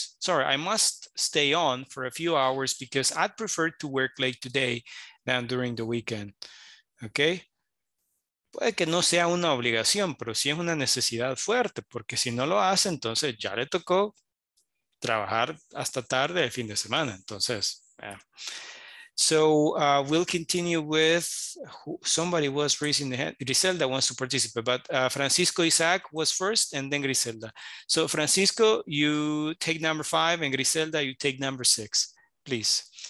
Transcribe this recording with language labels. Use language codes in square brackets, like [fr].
[en] I must stay on for a few hours because I'd prefer to work late today than during the weekend. Okay. [es] Puede que no sea una obligación, pero sí es una necesidad fuerte, porque si no lo hace, entonces ya le tocó trabajar hasta tarde el fin de semana. Entonces, yeah. [en] So we'll continue with somebody was raising the hand. Griselda wants to participate, but Francisco Isaac was first and then Griselda. So Francisco, you take number five and Griselda, you take number six, please.